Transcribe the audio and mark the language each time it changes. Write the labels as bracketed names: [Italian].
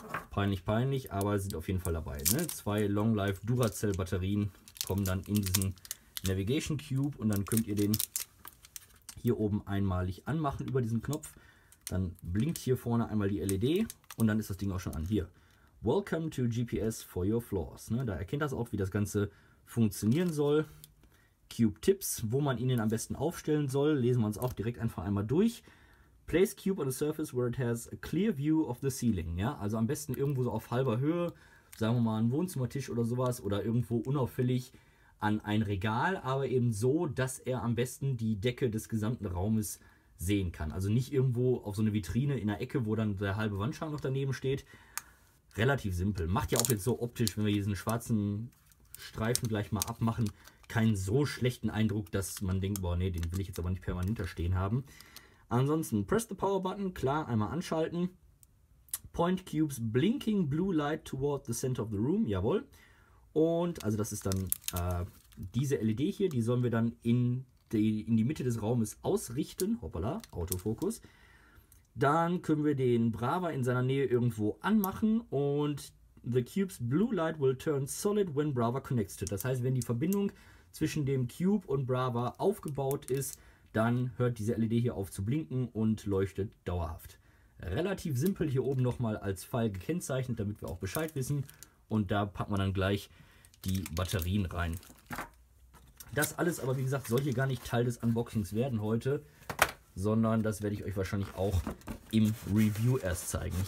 [German] Peinlich, peinlich, aber sind auf jeden Fall dabei, ne? Zwei Long Life Duracell Batterien kommen dann in diesen Navigation Cube und dann könnt ihr den hier oben einmalig anmachen über diesen Knopf. Dann blinkt hier vorne einmal die LED und dann ist das Ding auch schon an. [English] Hier, Welcome to GPS for your floors. [German] Ne, da erkennt das auch, wie das Ganze funktionieren soll. Cube Tipps, wo man ihn am besten aufstellen soll, lesen wir uns auch direkt einfach einmal durch. [English] Place Cube on a surface where it has a clear view of the ceiling. [German] Ja, also am besten irgendwo so auf halber Höhe, sagen wir mal einen Wohnzimmertisch oder sowas oder irgendwo unauffällig an ein Regal, aber eben so, dass er am besten die Decke des gesamten Raumes sehen kann. Also nicht irgendwo auf so eine Vitrine in der Ecke, wo dann der halbe Wandschrank noch daneben steht. Relativ simpel. Macht ja auch jetzt so optisch, wenn wir diesen schwarzen Streifen gleich mal abmachen, keinen so schlechten Eindruck, dass man denkt, boah, nee, den will ich jetzt aber nicht permanent da stehen haben. [English] Ansonsten, press the power button, [German] klar, einmal anschalten. [English] Point cubes blinking blue light toward the center of the room, jawohl. [German] Und, also das ist dann diese LED hier, die sollen wir dann in die Mitte des Raumes ausrichten. Hoppala, Autofokus. Dann können wir den Brava in seiner Nähe irgendwo anmachen. [English] Und the cube's blue light will turn solid when Brava connects to it. [German] Das heißt, wenn die Verbindung zwischen dem Cube und Brava aufgebaut ist, dann hört diese LED hier auf zu blinken und leuchtet dauerhaft. Relativ simpel hier oben nochmal als Pfeil gekennzeichnet, damit wir auch Bescheid wissen. Und da packen wir dann gleich die Batterien rein. Das alles aber, wie gesagt, soll hier gar nicht Teil des Unboxings werden heute, sondern das werde ich euch wahrscheinlich auch im Review erst zeigen.